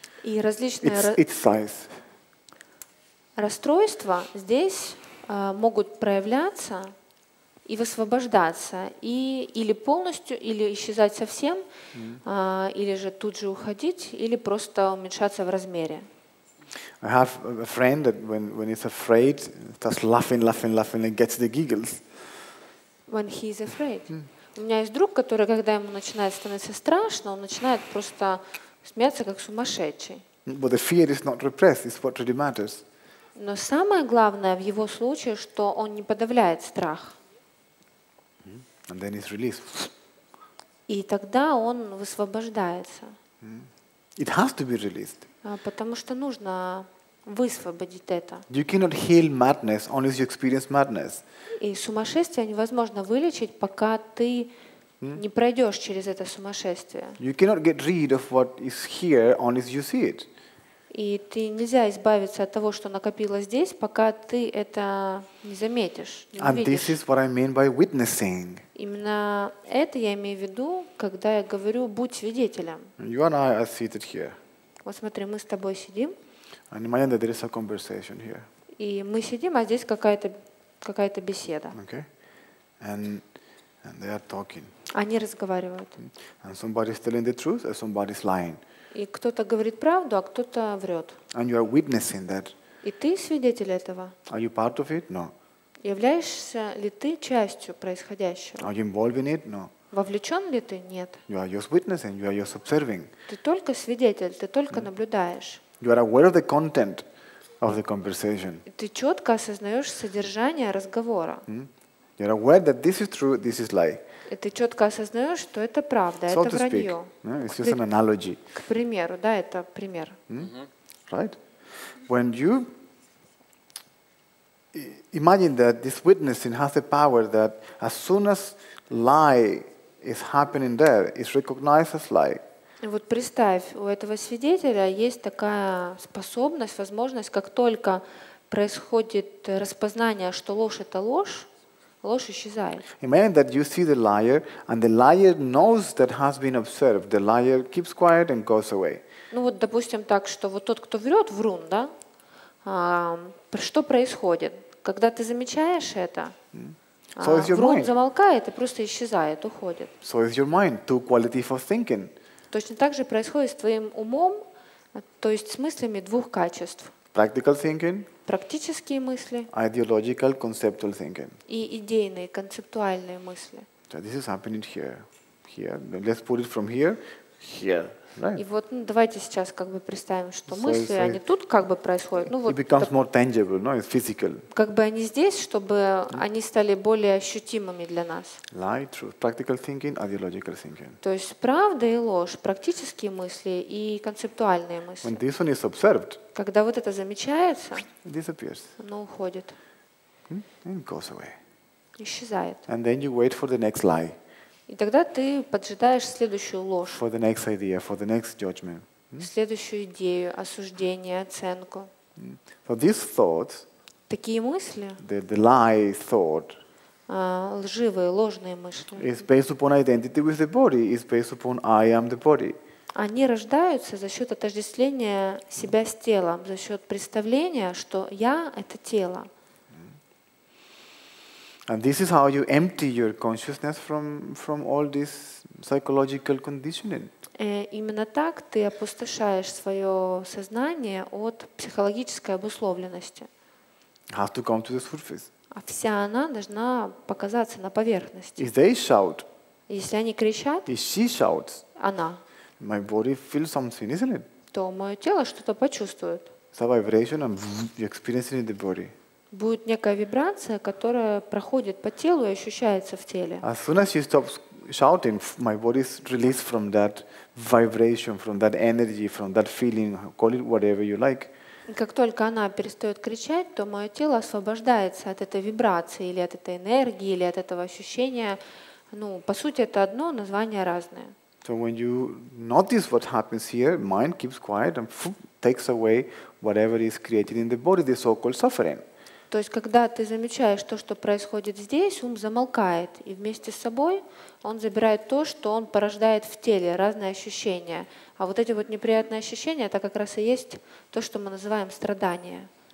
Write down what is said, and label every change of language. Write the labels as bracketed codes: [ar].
[ru] И различные [en] its size. [ru] Расстройства здесь могут проявляться и высвобождаться, и или полностью, или исчезать совсем, или же тут же уходить, или просто уменьшаться в размере. [en] I have a friend that when he's afraid, starts laughing, and gets the giggles. When he is afraid. [ru] У меня есть друг, который, когда ему начинает становиться страшно, он начинает просто смеяться как сумасшедший. [en] But the fear is not repressed. It's what really matters. [ru] Но самое главное в его случае, что он не подавляет страх. [en] And then it's released. [ru] И тогда он высвобождается. [en] It has to be released. [ru] Потому что нужно высвободить это. [en] You cannot heal madness unless you experience madness. [ru] И сумасшествие невозможно вылечить, пока ты не пройдешь через это сумасшествие. [en] You cannot get rid of what is here unless you see it. [ru] И ты нельзя избавиться от того, что накопилось здесь, пока ты это не заметишь, не увидишь. [en] This is what I mean by witnessing. [ru] Именно это я имею в виду, когда я говорю «будь свидетелем». [en] You and I are seated here. [ru] Вот смотри, мы с тобой сидим. [en] And imagine that there is a conversation here. [ru] И мы сидим, а здесь какая-то беседа. [en] Okay. And they are talking. [ru] Они разговаривают. [en] And somebody is telling the truth, and somebody is lying. [ru] И кто-то говорит правду, а кто-то врет. [en] And you are witnessing that. [ru] И ты свидетель этого. [en] Are you part of it? No. [ru] Являешься ли ты частью происходящего? [en] Are you involved in it? No. [ru] Вовлечен ли ты? Нет. [en] You are just witnessing, you are just observing. [ru] Ты только свидетель, ты только наблюдаешь. [en] You are aware of the content of the conversation. [ru] Ты четко осознаешь содержание разговора. [en] You are aware that this is true, this is lie. [ru] И ты четко осознаешь, что это правда, [en] so [ru] это вранье. [en] Speak, yeah, it's just an analogy. [ru] К примеру, да, это пример. [en] Right? When you imagine that this witnessing has the power that as soon as lie is happening there, it's recognized as lie. [ru] И вот представь, у этого свидетеля есть такая способность, возможность, как только происходит распознание, что ложь — это ложь, ложь исчезает. [en] Imagine that you see the liar, and the liar knows that has been observed. The liar keeps quiet and goes away. [ru] Ну вот, допустим, так, что вот тот, кто врет, врун, да? Что происходит, когда ты замечаешь это? Врун замолкает и просто исчезает, уходит. [en] So is your mind. Two qualities of thinking. [ru] Точно так же происходит с твоим умом, то есть с мыслями двух качеств. [en] Practical thinking. [ru] Практические мысли. [en] Ideological, conceptual thinking. [ru] И идейные, концептуальные мысли. [en] So this is happening here. Let's put it from here. Here. Right. [ru] И вот, ну, давайте сейчас как бы представим, что мысли, они тут как бы происходят. Ну, вот, [en] it becomes more tangible, no? It's physical. [ru] Как бы они здесь, чтобы они стали более ощутимыми для нас. [en] Lie, truth, practical thinking, ideological thinking. [ru] То есть правда и ложь, практические мысли и концептуальные мысли. [en] When this one is observed, [ru] когда вот это замечается, [en] it disappears. [ru] Оно уходит. [en] And goes away. [ru] Исчезает. [en] And then you wait for the next lie. [ru] И тогда ты поджидаешь следующую ложь. [en] For the next idea, for the next judgment. [ru] Следующую идею, осуждение, оценку. [en] So this thought, [ru] такие мысли, [en] the lie thought, [ru] лживые, ложные мысли, [en] is based upon identity with the body, is based upon I am the body. [ru] Они рождаются за счет отождествления себя с телом, за счет представления, что я — это тело. [en] And this is how you empty your consciousness from all this psychological conditioning. [ru] Именно так ты опустошаешь свое сознание от психологической обусловленности. [en] Has to come to the surface. [ru] А вся она должна показаться на поверхности. [en] If they shout. [ru] Если они кричат. [en] If she shouts. [ru] Она. [en] My body feels something, isn't it? [ru] То мое тело что-то почувствует. [en] It's a vibration, and you experience it in the body. [ru] Будет некая вибрация, которая проходит по телу и ощущается в теле. [en] As soon as she stops shouting, my body is released from that vibration, from that energy, from that feeling. Call it whatever you like. [ru] Как только она перестает кричать, то мое тело освобождается от этой вибрации или от этой энергии или от этого ощущения. Ну, по сути, это одно, названия разные. So when you notice what happens here, mind keeps quiet and takes away whatever is created in the body, the so-called suffering. То есть, когда ты замечаешь то, что происходит здесь, ум замолкает, и вместе с собой он забирает то, что он порождает в теле, разные ощущения. А вот эти вот неприятные ощущения, это как раз и есть то, что мы называем страдание.